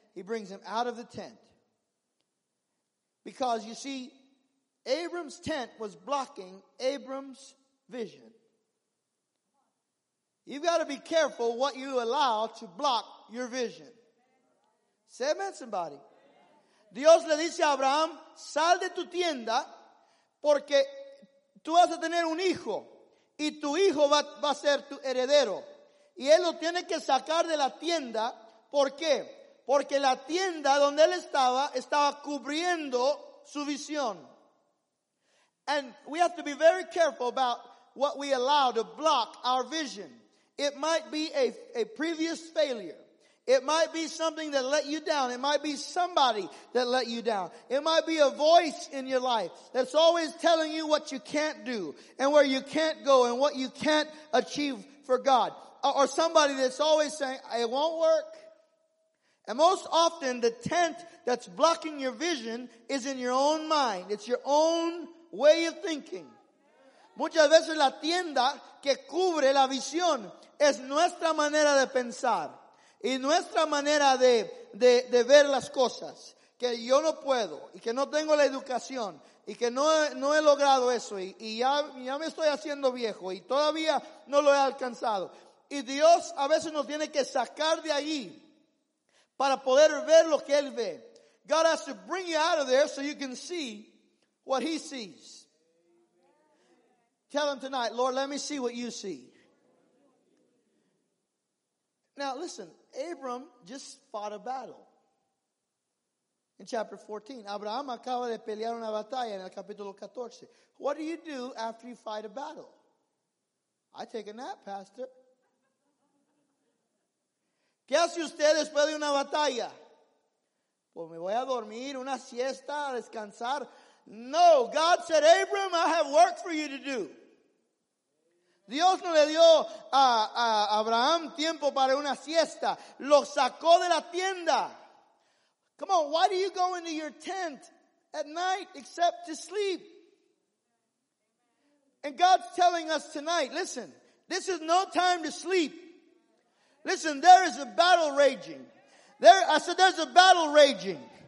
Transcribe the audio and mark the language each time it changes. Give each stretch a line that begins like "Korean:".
English: He brings him out of the tent. Because you see, Abram's tent was blocking Abram's vision. You've got to be careful what you allow to block your vision. Say amen, somebody.
Spanish: Dios le dice a Abraham, sal de tu tienda, porque tú vas a tener un hijo, y tu hijo va a ser tu heredero. Y él lo tiene que sacar de la tienda, ¿por qué? Porque la tienda donde él estaba, estaba cubriendo su visión.
English: And we have to be very careful about what we allow to block our vision. It might be a previous failure. It might be something that let you down. It might be somebody that let you down. It might be a voice in your life that's always telling you what you can't do and where you can't go and what you can't achieve for God. Or somebody that's always saying, it won't work. And most often, the tent that's blocking your vision is in your own mind. It's your own way of thinking.
Spanish: Muchas veces la tienda que cubre la visión es nuestra manera de pensar. Y nuestra manera de ver las cosas, que yo no puedo, y que no tengo la educación, y que no he logrado eso, y ya me estoy haciendo viejo, y todavía no lo he alcanzado. Y Dios a veces nos tiene que sacar de allí para poder ver lo que Él ve.
English: God has to bring you out of there so you can see what He sees. Tell Him tonight, Lord, let me see what You see. Now listen, Abram just fought a battle. In chapter 14,
Spanish: Abraham acaba de pelear una batalla en el capítulo 14.
English: What do you do after you fight a battle? I take a nap, pastor. ¿Qué hace usted después de una batalla?
Spanish: Pues me voy a dormir, una siesta, a descansar.
English: No, God said, Abram, I have work for you to do.
Spanish: Dios no le dio a Abraham tiempo para una siesta. Lo sacó de la tienda.
English: Come on, why do you go into your tent at night except to sleep? And God's telling us tonight, listen, this is no time to sleep. Listen, there is a battle raging. I said there's a battle raging.